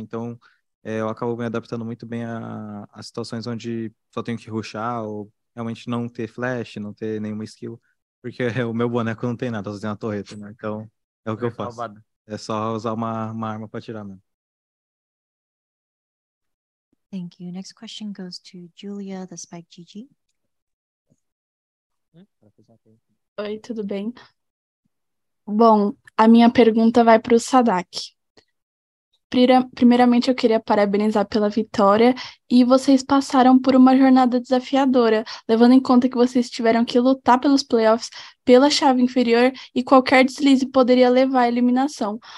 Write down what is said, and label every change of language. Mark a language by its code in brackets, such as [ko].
[pt] Então, eu acabo me adaptando muito bem a situações onde só tenho que rushar ou realmente não ter flash, não ter nenhuma skill. Porque o meu boneco não tem nada, só tem uma torreta, né? Então, é o que eu faço. Salvado. É só usar uma arma para tirar mesmo. [en] Thank you. Next question goes to Julia, the Spike GG. [pt] Oi, tudo bem? Bom, a minha pergunta vai para o Sadak. Primeiramente, eu queria parabenizar pela vitória e vocês passaram por uma jornada desafiadora, levando em conta que vocês tiveram que lutar pelos playoffs, pela chave inferior e qualquer deslize poderia levar à eliminação.